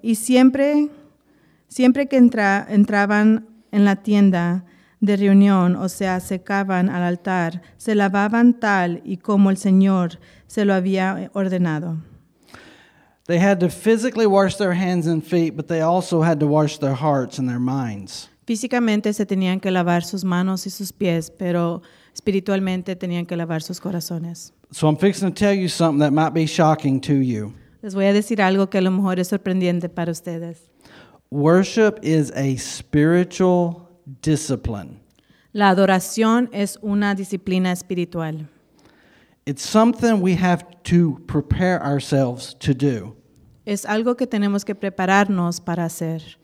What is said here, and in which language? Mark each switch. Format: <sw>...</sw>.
<es>Y siempre que entraban en la tienda de reunión, o sea, secaban al altar, se lavaban tal y como el Señor se lo había ordenado.</es> <en>They had to physically wash their hands and feet, but they also had to wash their hearts and their minds.</en> <es>Físicamente se tenían que lavar sus manos y sus pies, pero espiritualmente tenían que lavar sus corazones.</es> <en>So I'm fixing to tell you something that might be shocking to you.</en> <es>Les voy a decir algo que a lo mejor es sorprendente para ustedes.</es> <en>Worship is a spiritual discipline.</en> <es>La adoración es una disciplina espiritual.</es> <en>It's something we have to prepare ourselves to do.</en> <es>Es algo que tenemos que prepararnos para hacer.</es>